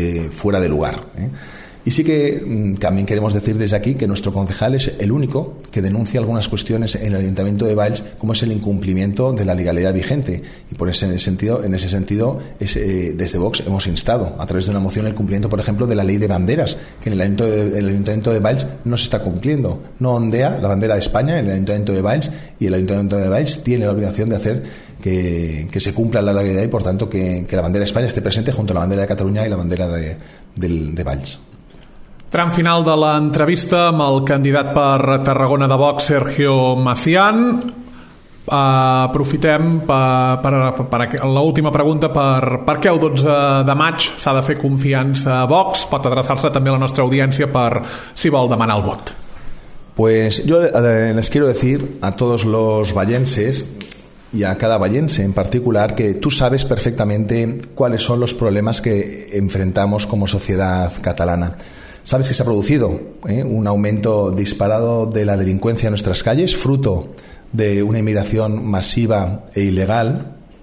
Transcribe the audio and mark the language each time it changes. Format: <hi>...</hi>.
<es>fuera de lugar, ¿eh? Y sí que también queremos decir desde aquí que nuestro concejal es el único que denuncia algunas cuestiones en el Ayuntamiento de Valls como es el incumplimiento de la legalidad vigente, y por ese sentido, en ese sentido, desde Vox hemos instado a través de una moción el cumplimiento, por ejemplo, de la ley de banderas, que en el Ayuntamiento de Valls no se está cumpliendo. No ondea la bandera de España en el Ayuntamiento de Valls, y el Ayuntamiento de Valls tiene la obligación de hacer que se cumpla la legalidad y, por tanto, que la bandera de España esté presente junto a la bandera de Cataluña y la bandera de Valls.</es> <ca>Tram final de l'entrevista amb el candidat per Tarragona de Vox, Sergio Macián. Aprofitem per l'última pregunta. Per què el 12 de maig s'ha de fer confiança a Vox? Pot adreçar-se també a la nostra audiència per si vol demanar el vot.</ca> <es>Pues yo les quiero decir a todos los vallenses y a cada vallense en particular que tú sabes perfectamente cuáles son los problemas que enfrentamos como sociedad catalana. Sabes que se ha producido un aumento disparado de la delincuencia en nuestras calles, fruto de una inmigración masiva e ilegal.</es>